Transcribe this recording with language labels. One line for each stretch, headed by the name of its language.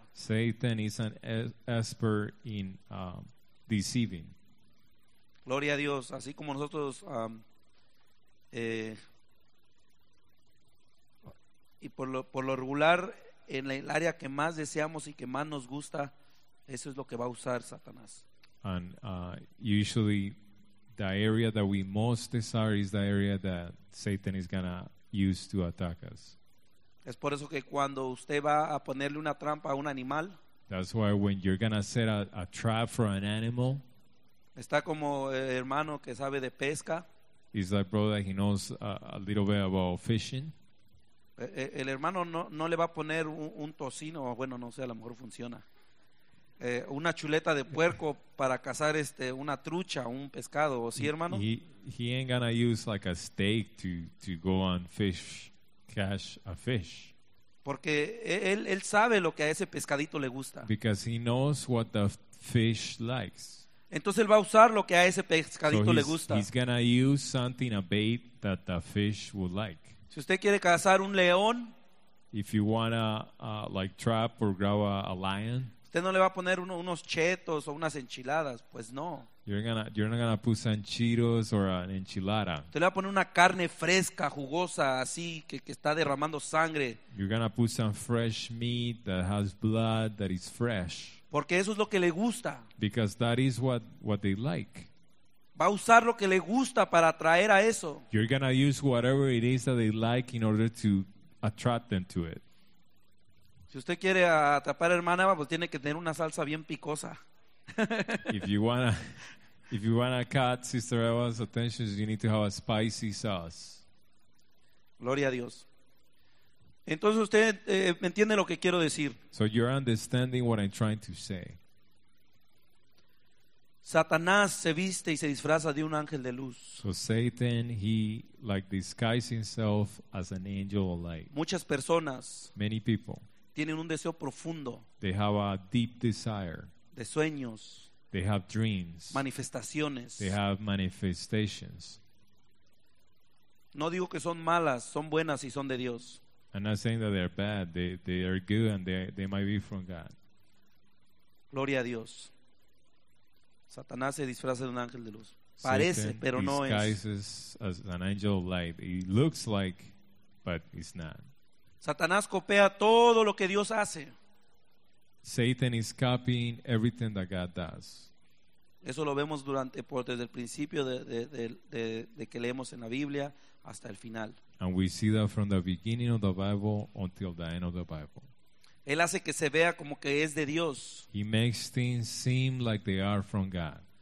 English: Satan is an expert in deceiving.
Spanish: Gloria a Dios. Así como nosotros y por lo regular en el área que más deseamos y que más nos gusta, eso es lo que va a usar Satanás.
English: And usually the area that we most desire is the area that Satan is going to use to attack us.
Spanish: Es por eso que cuando usted va a ponerle una trampa a un animal,
English: that's why when you're gonna set a trap for an animal,
Spanish: está como el hermano que sabe de pesca.
English: He's like brother, he knows a little bit about fishing.
Spanish: El hermano no le va a poner un tocino, bueno, no sé, a lo mejor funciona. Una chuleta de puerco para cazar una trucha, un pescado, ¿sí, hermano?
English: He ain't gonna use like a steak to go and fish. Catch a fish.
Spanish: Porque él sabe lo que a ese pescadito le gusta.
English: Because he knows what the fish likes.
Spanish: Entonces él va a usar lo que a ese pescadito le gusta.
English: He's gonna use something, a bait that the fish would like.
Spanish: Si usted quiere cazar un león,
English: if you wanna like trap or grab a lion,
Spanish: usted no le va a poner unos chetos o unas enchiladas, pues no.
English: You're not gonna put some chitos or an enchilada.
Spanish: Te le va a poner una carne fresca, jugosa, así que está derramando sangre.
English: You're gonna put some fresh meat that has blood that is fresh.
Spanish: Porque eso es lo que le gusta.
English: Because that is what they like.
Spanish: Va a usar lo que le gusta para atraer a eso.
English: You're gonna use whatever it is that they like in order to attract them to it.
Spanish: Si usted quiere atrapar a hermana, pues tiene que tener una salsa bien picosa.
English: If you wanna catch Sister Eva's attention, you need to have a spicy sauce.
Spanish: Gloria a Dios. Entonces usted entiende lo que quiero decir.
English: So you're understanding what I'm trying to say.
Spanish: Satanás se viste y se disfraza de un ángel de luz.
English: So Satan, he like disguises himself as an angel of light.
Spanish: Muchas personas.
English: Many people.
Spanish: Tienen un deseo profundo.
English: They have a deep desire.
Spanish: De sueños.
English: They have dreams.
Spanish: Manifestaciones.
English: They have manifestations.
Spanish: No digo que son malas, son buenas y son de Dios.
English: I'm not saying that they're bad. They are good and they might be from God.
Spanish: Gloria a Dios. Satanás se disfraza de un ángel de luz. Parece, pero no es.
English: Satan disguises as an angel of light. It looks like, but it's not.
Spanish: Satanás copia todo lo que Dios hace.
English: Satan is copying everything that God does.
Spanish: Eso lo vemos desde el principio de que leemos en la Biblia hasta el final.
English: And we see that from the beginning of the Bible until the end of the Bible.
Spanish: Él hace que se vea como que es de Dios.
English: He makes things seem like they are from God.